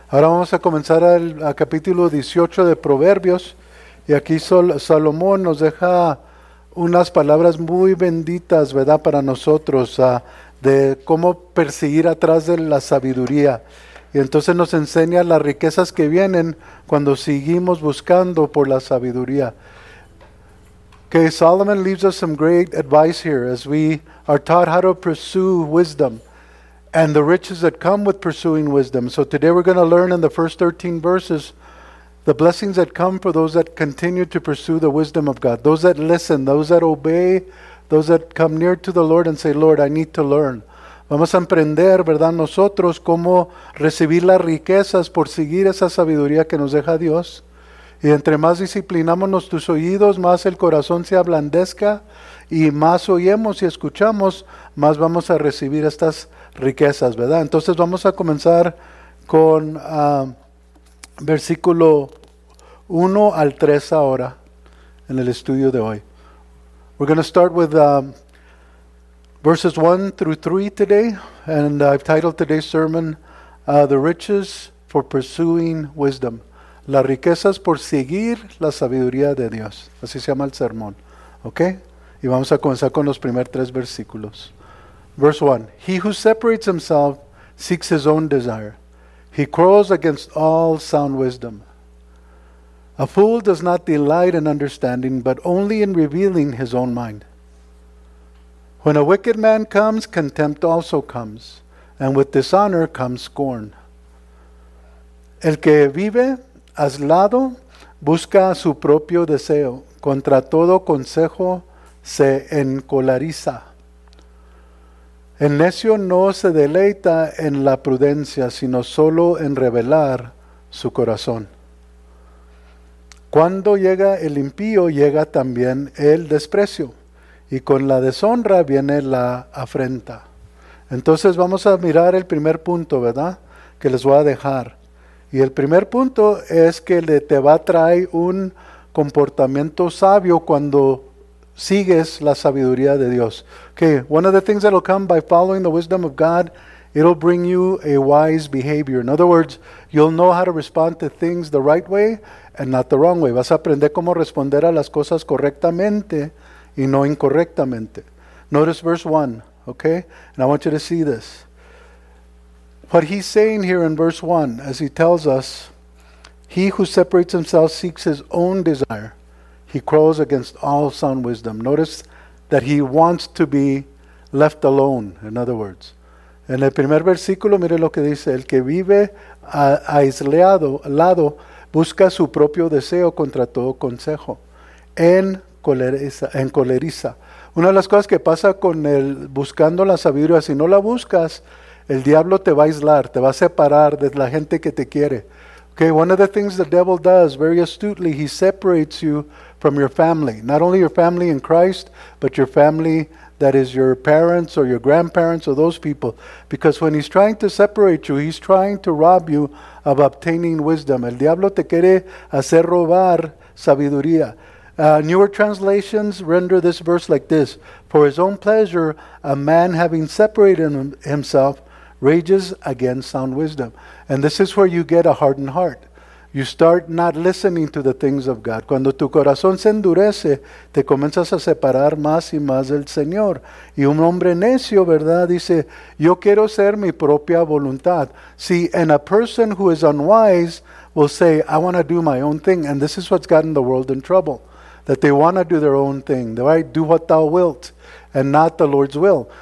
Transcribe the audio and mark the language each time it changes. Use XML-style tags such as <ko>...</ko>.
<es>Ahora vamos a comenzar al capítulo 18 de Proverbios, y aquí Salomón nos deja unas palabras muy benditas, ¿verdad?, para nosotros, de cómo perseguir atrás de la sabiduría. Y entonces nos enseña las riquezas que vienen cuando seguimos buscando por la sabiduría.</es> <en>Okay, Solomon leaves us some great advice here as we are taught how to pursue wisdom and the riches that come with pursuing wisdom. So today we're going to learn in the first 13 verses the blessings that come for those that continue to pursue the wisdom of God. Those that listen, those that obey, those that come near to the Lord and say, Lord, I need to learn.</en> <es>Vamos a emprender, ¿verdad?, nosotros cómo recibir las riquezas por seguir esa sabiduría que nos deja Dios. Y entre más disciplinamos tus oídos, más el corazón se ablandezca y más oyemos y escuchamos, más vamos a recibir estas riquezas, ¿verdad? Entonces vamos a comenzar con versículo 1 al 3 ahora en el estudio de hoy.</es> <en>We're going to start with verses 1 through 3 today, and I've titled today's sermon The Riches for Pursuing Wisdom.</en> <es>Las riquezas por seguir la sabiduría de Dios. Así se llama el sermón. ¿Ok? Y vamos a comenzar con los primeros tres versículos.</es> <en>Verse 1. He who separates himself seeks his own desire. He quarrels against all sound wisdom. A fool does not delight in understanding, but only in revealing his own mind. When a wicked man comes, contempt also comes, and with dishonor comes scorn.</en> <es>El que vive aislado busca su propio deseo. Contra todo consejo se encolariza. El necio no se deleita en la prudencia, sino solo en revelar su corazón. Cuando llega el impío, llega también el desprecio, y con la deshonra viene la afrenta. Entonces vamos a mirar el primer punto, ¿verdad?, que les voy a dejar. Y el primer punto es que te va a traer un comportamiento sabio cuando sigues la sabiduría de Dios.</es> <en>Okay, one of the things that will come by following the wisdom of God, it'll bring you a wise behavior. In other words, you'll know how to respond to things the right way and not the wrong way.</en> <es>Vas a aprender cómo responder a las cosas correctamente y no incorrectamente.</es> <en>Notice verse 1, okay? And I want you to see this. What he's saying here in verse 1, as he tells us, he who separates himself seeks his own desire. He quarrels against all sound wisdom. Notice that he wants to be left alone, in other words.</en> <es>En el primer versículo, mire lo que dice, el que vive aislado, busca su propio deseo contra todo consejo. Encoleriza. Una de las cosas que pasa con el buscando la sabiduría, si no la buscas, el diablo te va a aislar, te va a separar de la gente que te quiere.</es> <en>Okay, one of the things the devil does very astutely, he separates you from your family. Not only your family in Christ, but your family that is your parents or your grandparents or those people. Because when he's trying to separate you, he's trying to rob you of obtaining wisdom.</en> <es>El diablo te quiere hacer robar sabiduría.</es> <en>Newer translations render this verse like this. For his own pleasure, a man having separated himself rages against sound wisdom. And this is where you get a hardened heart. You start not listening to the things of God.</en> <es>Cuando tu corazón se endurece, te comienzas a separar más y más del Señor. Y un hombre necio, ¿verdad?, dice, yo quiero ser mi propia voluntad.</es> <en>See, and a person who is unwise will say, I want to do my own thing. And this is what's gotten the world in trouble. That they want to do their own thing. Right? Do what thou wilt, and not the Lord's will.</en>